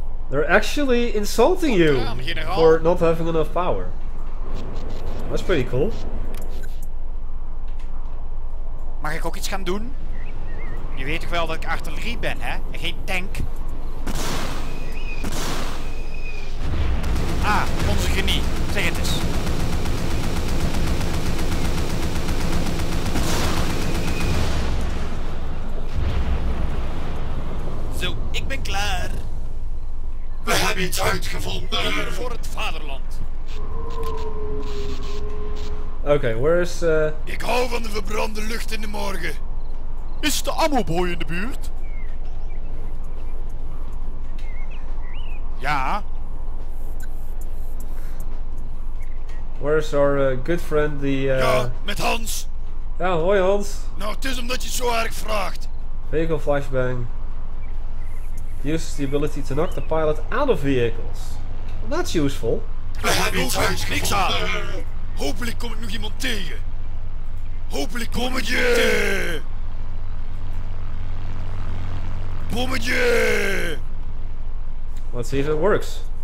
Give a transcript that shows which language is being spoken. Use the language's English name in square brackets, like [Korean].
[English] They're actually insulting you for not having enough power. That's pretty cool. [Dutch] Mag ik ook iets gaan doen? Je weet toch wel dat ik artillerie ben, hè? En geen tank. Ah, onze genie. Zeg het eens. Zo, ik ben klaar. We hebben iets uitgevonden. Hier voor het vaderland. [English] Okay, where is... [Dutch] Ik hou van de verbrande lucht in de morgen. Is de ammo boy in de buurt? Ja. [English] Where is our good friend, the... [Dutch] Ja, met Hans. Ja, hoi Hans. Nou, het is omdat je zo erg vraagt. [English] Vehicle flashbang. Uses the ability to knock the pilot out of vehicles. Well, that's useful. [Dutch] We hebben iets uitgevonden. Hopelijk kom ik nog iemand tegen. Hopelijk kom ik je. Bommetje. [English] Let's see if it works.